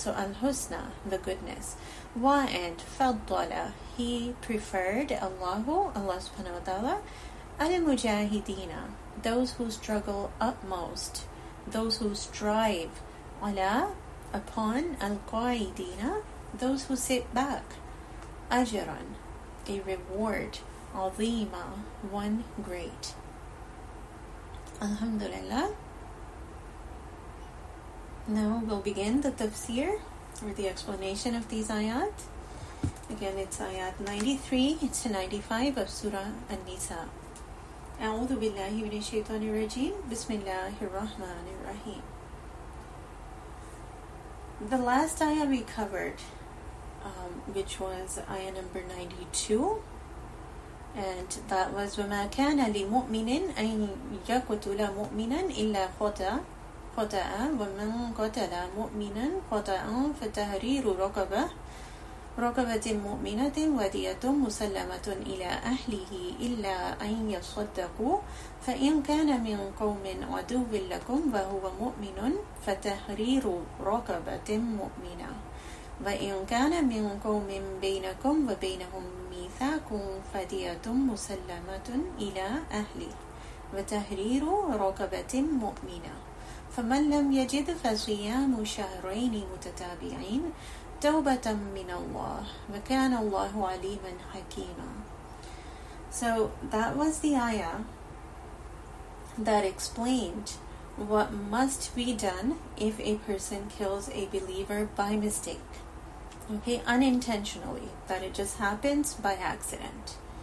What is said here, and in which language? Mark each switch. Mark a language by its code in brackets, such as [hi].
[en] So al-husna, the goodness. Wa and فَضَّلَ he preferred Allahu, Allah subhanahu wa ta'ala, al-mujahideena, those who struggle utmost, those who strive, ala, upon, al-qa'idina, those who sit back, ajran, a reward, azima, one great. Alhamdulillah. Now we'll begin the tafsir, or the explanation of these ayat. Again, it's ayat 93 to 95 of Surah An-Nisa. [ar] أعوذ بالله من الشيطان الرجيم بسم الله الرحمن الرحيم. [en] The last ayah we covered, which was ayah number 92, and that was [ar] وَمَا كَانَ لِمُؤْمِنٍ أَن يَقْتُلَ مُؤْمِنًا إِلَّا خَطَأً وَمَنْ قَتَلَ مُؤْمِنًا خَطَأً فَتَحْرِيرُ رقبة مؤمنة ودية مسلمة إلى أهله إلا أن يصدقوا فإن كان من قوم عدو لكم وهو مؤمن فتحرير رقبة مؤمنة وإن كان من قوم بينكم وبينهم ميثاق فدية مسلمة إلى أهله وتحرير رقبة مؤمنة. فمن لم يجد فصيام شهرين متتابعين توبة من الله وكان الله عليما حكيما. [en] So that was the ayah that explained what must be done if a person kills a believer by mistake. Okay, unintentionally, that it just happens by accident.